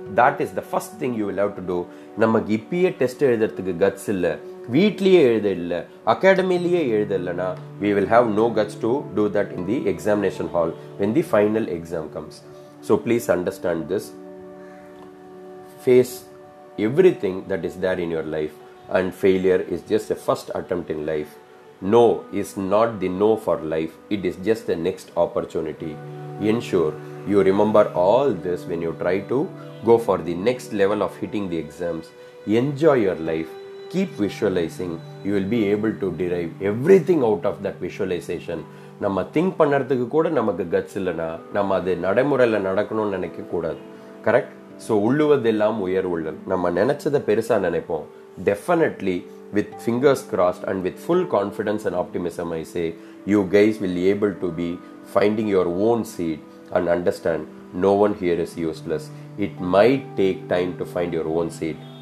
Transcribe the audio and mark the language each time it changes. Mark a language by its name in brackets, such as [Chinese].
[English] That is the first thing you will have to do. [Tamil] நமக்கு இப்பயே test எழுதுறதுக்கு cuts இல்லை, வீட்லேயே எழுத இல்லை, அகாடமிலேயே எழுத இல்லைனா [English] We will have no cuts to do that in the examination hall when the final exam comes. So please understand this. Face every thing that is there in your life and failure is just a first attempt in life. No is not the no for life. It is just the next opportunity. Ensure you remember all this when you try to go for the next level of hitting the exams. Enjoy your life. Keep visualizing. You will be able to derive everything out of that visualization. [Tamil] நம்ம think பண்ணுறதுக்கு கூட நமக்கு cuts இல்லைன்னா நம்ம அது நடைமுறையில் நடக்கணும்னு நினைக்கக்கூடாது. [English] Correct. [Tamil] ஸோ உள்ளுவதெல்லாம் உயர் உள்ளல். நம்ம நினச்சதை பெருசாக நினைப்போம். [English] Definitely with fingers crossed and with full confidence and optimism I say you guys will be able to be finding your own seat and understand no one here is useless. It might take time to find your own seat.